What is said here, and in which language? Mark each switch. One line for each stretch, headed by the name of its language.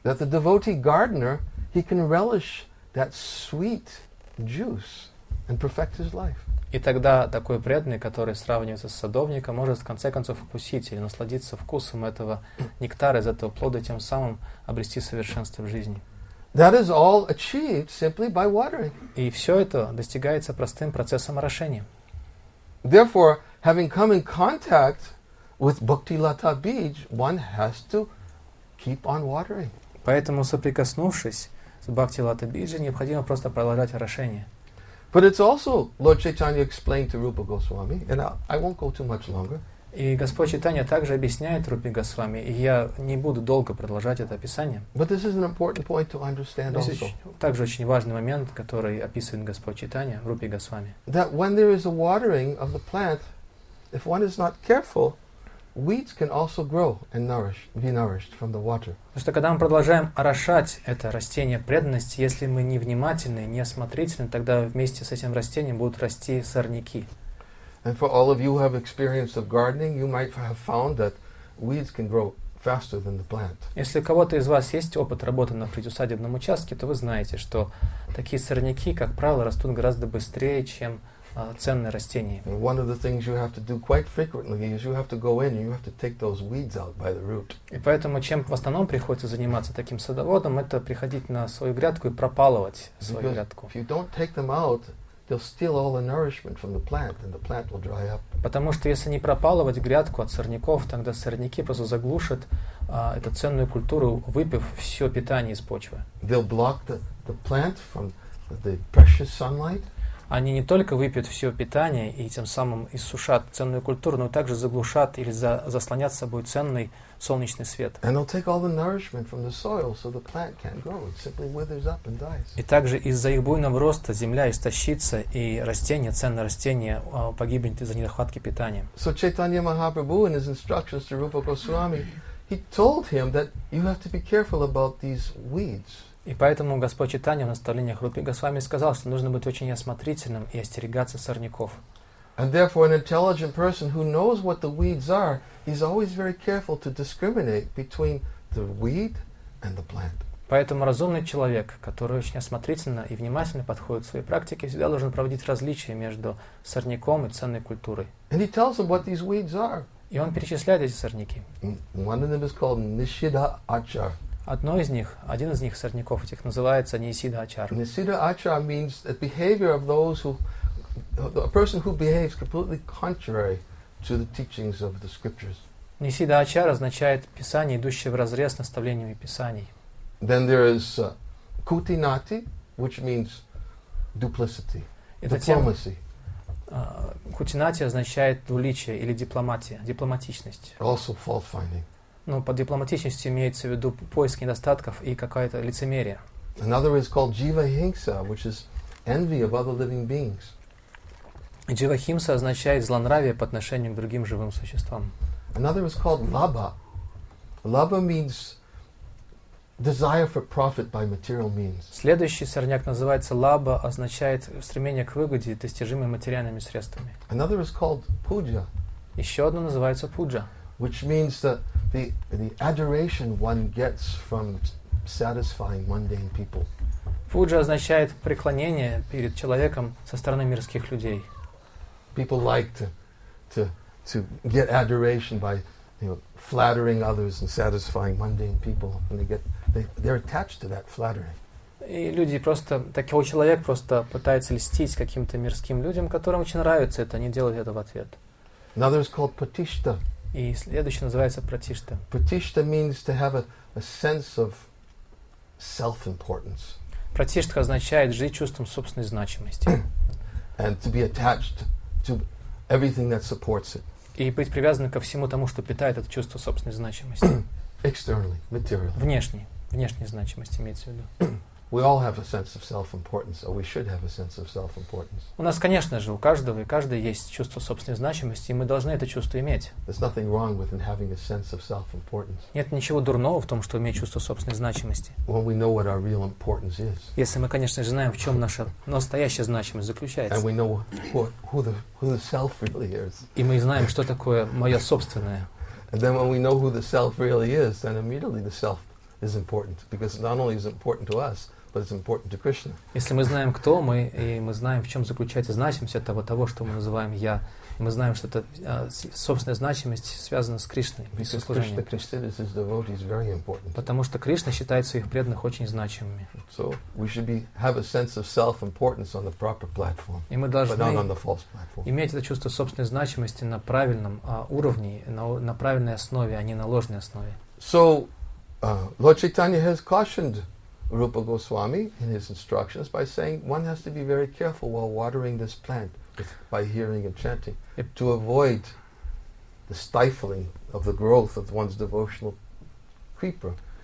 English: That the devotee gardener, he can relish that sweet juice and perfect his life.
Russian: И тогда такой преданный, который сравнивается с садовником, может в конце концов вкусить или насладиться вкусом этого нектара из этого плода, тем самым обрести совершенство в жизни.
English: That is all achieved simply by watering.
Russian: И все это достигается простым процессом орошения.
English: Therefore, having come in contact with Bhakti Lata Beej, one has to keep on watering.
Russian: Поэтому, соприкоснувшись с Бхакти Лата Биджи, необходимо просто продолжать орошение.
English: But it's also, Lord Chaitanya explained to Rupa Goswami, and I won't go too much longer.
Russian: И Господь Чайтанья также объясняет Рупе Госвами, и я не буду долго продолжать это описание.
English: But this is an important point to understand also.
Russian: Также очень важный момент, который описывает Господь Чайтанья в Рупе Госвами.
English: That when there is a watering of the plant, if one is not careful, weeds can also grow and nourish, be nourished from the water.
Russian: Потому что когда мы продолжаем орошать это растение преданности, если мы невнимательны, неосмотрительны, тогда вместе с этим растением будут расти сорняки.
English: And for all of you who have experience of gardening, you might have found that weeds can grow faster than the plant.
Russian: Если у кого-то из вас есть опыт работы на приусадебном участке, то вы знаете, что такие сорняки, как правило, растут гораздо быстрее, чем ценные растения.
English: And one of the things you have to do quite frequently is you have to go in and you have to take those weeds out by the root.
Russian: И поэтому, чем в основном приходится заниматься таким садоводом, это приходить на свою грядку и пропалывать свою грядку.
English: If you don't take them out, they'll steal all the nourishment from the plant, and the plant will dry up.
Russian: Потому что если не пропалывать грядку от сорняков, тогда сорняки просто заглушат эту ценную культуру, выпив все питание из почвы.
English: They'll block the plant from the precious sunlight.
Russian: Они не только выпьют все питание и тем самым иссушат ценную культуру, но также заглушат или заслонят с собой ценный солнечный свет.
English: And they'll take all the nourishment from the soil, so the plant can't grow. It simply withers up and dies.
Russian: И также из-за их буйного роста земля истощится, и растение, ценное растение погибнет из-за недохватки питания.
English: So Chaitanya Mahaprabhu in his instructions to Rupa Goswami, he told him that you have to be careful about these weeds.
Russian: И поэтому Господь Чайтанья в наставлениях Рупе Госвами сказал, что нужно быть очень осмотрительным и остерегаться сорняков.
English: And therefore an intelligent person who knows what the weeds are, he's always very careful to discriminate between the weed and the plant.
Russian: Поэтому разумный человек, который очень осмотрительно и внимательно подходит к своей практике, всегда должен проводить различия между сорняком и ценной культурой.
English: And he tells them what these weeds are.
Russian: И он перечисляет эти сорняки.
English: One of them is called Nishida Achar.
Russian: Один из них сорняков этих называется Нисида Ачар.
English: Нисида Ачар means the behavior of those who, a person who behaves completely contrary to the teachings of the scriptures.
Russian: Нисида Ачар означает писание, идущее вразрез с наставлениями писаний.
English: Then there is Кутинати, which means duplicity, diplomacy.
Russian: Кутинати означает двуличие или дипломатия, дипломатичность.
English: Also fault finding.
Russian: Ну, под дипломатичностью имеется в виду поиск недостатков и какая-то лицемерие.
English: Another is called jivahimsa, which is envy of other living beings.
Russian: Jivahimsa означает злонравие по отношению к другим живым существам.
English: Another is called labha. Labha means desire for profit by material means.
Russian: Следующий сорняк называется labha, означает стремление к выгоде, достижимой материальными средствами.
English: Another is called puja.
Russian: Еще одно называется puja.
English: Which means that the adoration one gets from satisfying mundane people.
Russian: Пуджа означает преклонение перед человеком со стороны мирских людей.
English: People like to get adoration by, you know, flattering others and satisfying mundane people, and they're attached to that flattering.
Russian: И люди просто, такой человек просто пытается льстить каким-то мирским людям, которым очень нравится это, они делают это в ответ.
English: Another is called patishta.
Russian: И следующий называется пратишта.
English: Patishta means to have a sense of self-importance.
Russian: Пратишта означает жить чувством собственной значимости.
English: And to be attached to everything that supports it.
Russian: И быть привязанным ко всему тому, что питает это чувство собственной значимости.
English: Externally, materially.
Russian: Внешней значимости имеется в виду.
English: We all have a sense of self-importance, or we should have a sense of self-importance.
Russian: У нас, конечно же, у каждого и каждой есть чувство собственной значимости, и мы должны это чувство иметь.
English: There's nothing wrong with having a sense of self-importance.
Russian: Нет ничего дурного в том, что иметь чувство собственной значимости.
English: When we know what our real importance is.
Russian: Если мы, конечно же, знаем, в чем наша настоящая значимость заключается.
English: And we know who the self really is.
Russian: И мы знаем, что такое мое собственное.
English: And then when we know who the self really is, then immediately the self is important, because not only is it important to us, but it's important to Krishna.
Russian: Если мы знаем, кто мы, и мы знаем, в чем заключается значимость этого, что мы называем «я», и мы знаем, что это собственная значимость связана с Кришной,
English: because
Russian: и со служением.
English: Because Krishna considers his devotees very important.
Russian: Потому что Кришна считает своих преданных очень значимыми.
English: So we should have a sense of self-importance on the proper platform,
Russian: и мы должны,
English: but not on the false platform.
Russian: Иметь это чувство собственной значимости на правильном уровне, на правильной основе, а не на ложной основе.
English: So, Lord Chaitanya has cautioned Rupa Goswami in his instructions by saying one has to be very careful while watering this plant by hearing and chanting to avoid the stifling of the growth of one's devotional creeper.